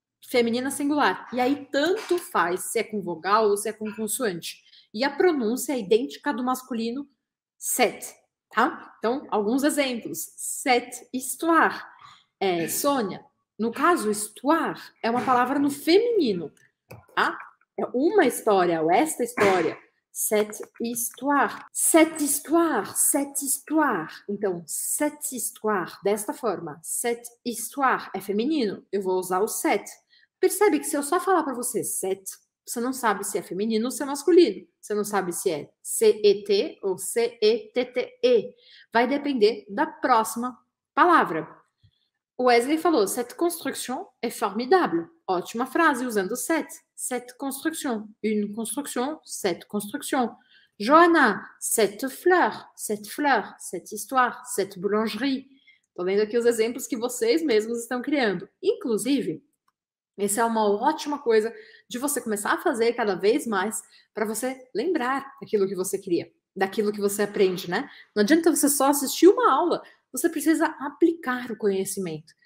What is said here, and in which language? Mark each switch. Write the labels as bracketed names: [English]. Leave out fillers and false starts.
[Portuguese] Feminina singular. E aí, tanto faz se é com vogal ou se é com consoante. E a pronúncia é idêntica do masculino Cette, tá? Então, alguns exemplos. [French] Cette histoire. [Portuguese] É, Sônia, no caso, histoire é uma palavra no feminino, tá? É uma história, ou esta história. [French] Cette histoire. Cette histoire, cette histoire. [Portuguese] Então, [French] cette histoire, [Portuguese] desta forma. [French] Cette histoire [Portuguese] é feminino, eu vou usar o cette. Percebe que se eu só falar para você cette, você não sabe se é feminino ou se é masculino. Você não sabe se é C-E-T ou C-E-T-T-E. Vai depender da próxima palavra. Wesley falou, [French] cette construction est formidable. [Portuguese] Ótima frase usando cette. [French] Cette construction. Une construction, cette construction. Joana, cette fleur. Cette fleur, cette histoire, cette boulangerie. [Portuguese] Estou vendo aqui os exemplos que vocês mesmos estão criando. Inclusive, essa é uma ótima coisa de você começar a fazer cada vez mais para você lembrar daquilo que você cria, daquilo que você aprende, né? Não adianta você só assistir uma aula, você precisa aplicar o conhecimento.